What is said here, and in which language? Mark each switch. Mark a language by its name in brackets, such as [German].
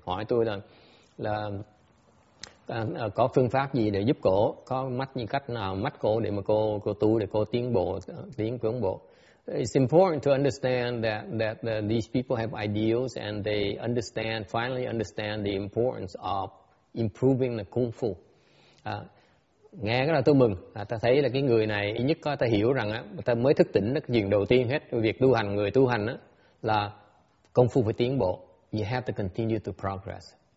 [Vietnamese] Hỏi tôi là có phương pháp gì để giúp cổ, có mắt như cách nào mắt cổ để mà cô tu để cô tiến bộ. [English] It's important to understand that these people have ideals and they finally understand the importance of improving the kung fu. [Vietnamese] Nghe cái là tôi mừng, ta thấy là cái người này ít nhất ta hiểu rằng ta mới thức tỉnh cái chuyện đầu tiên hết, việc tu hành, người tu hành là công phu phải tiến bộ. [English] You have to continue to progress.